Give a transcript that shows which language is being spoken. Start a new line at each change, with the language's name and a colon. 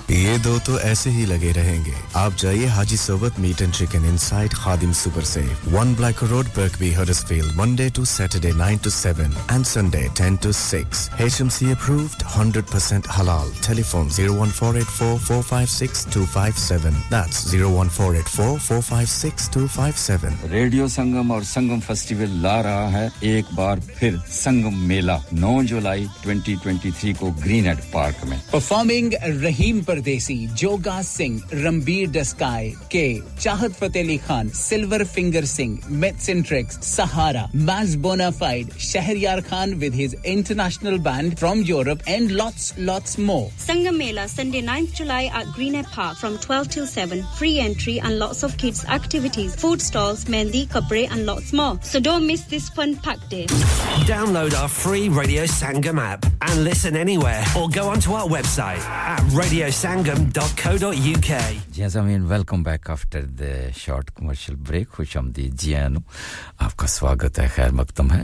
Punjabi: ਇਹ ਦੋ ਤੋਂ ਐਸੇ ਹੀ ਲਗੇ ਰਹਿਣਗੇ ਆਪ ਜਾਈਏ
English: Haji Swat meat and chicken inside Khadim super safe 1 black road Birkby Huddersfield Monday to Saturday 9 to 7 and Sunday 10 to 6 HMC approved 100% halal telephone 01484456257 that's 01484456257
Hindi: रेडियो संगम और संगम फेस्टिवल ला रहा है एक बार फिर संगम मेला 9 जुलाई 2023 को ग्रीनहेड पार्क में
English: Performing Rahim Pardesi Joga Singh Ranbir डस्काय के Chahat Fateh Ali Khan silver finger Singh myths and tricks Sahara मैज bonafide Shahryar Khan with his international band from Europe and lots lots more Sangam Mela Sunday 9th July at Greenhead park from 12 till 7 free entry and lots of kids activities food stalls, mehndi, kapre and lots more. So don't miss this fun packed day. Download our free Radio Sangam app and listen anywhere or go onto our website at radiosangam.co.uk. Yes, I mean, welcome back after the short commercial break.
Hindi: Khush aamdeed ji aano. Aapka swagat hai, khair maqdam hai.